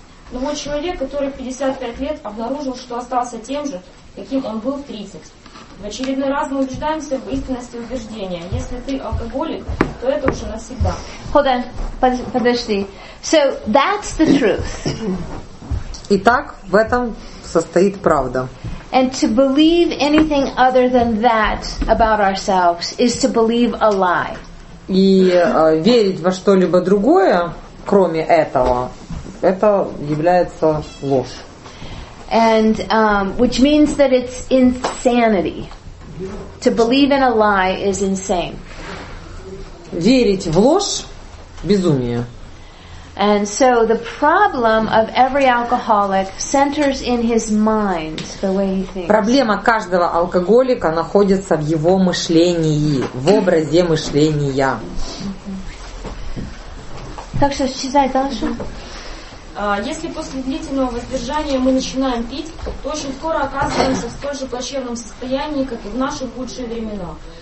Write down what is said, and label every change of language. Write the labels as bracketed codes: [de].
[ru] Но вот человек, который в 55 лет обнаружил, что остался тем же, каким он был в 30. В очередной раз мы убеждаемся в истинности убеждения. Если ты алкоголик, то это уже навсегда. [en] Hold on. [ru] Подожди. [en] So that's the truth. [ru] Итак, в этом состоит правда. [en] And to believe anything other than that about ourselves is to believe a lie. [ru] И верить во что-либо другое, кроме этого, это является ложь. [en] And which means that it's insanity. To believe in a lie is insane. [ru] Верить в ложь – безумие. [en] And so the problem of every alcoholic centers in his mind, the way he thinks. [ru] Проблема каждого алкоголика находится в его мышлении, в образе мышления. Так что считай дальше. Если после длительного воздержания мы начинаем пить, то очень скоро оказываемся в столь же плачевном состоянии, как и в наши худшие времена.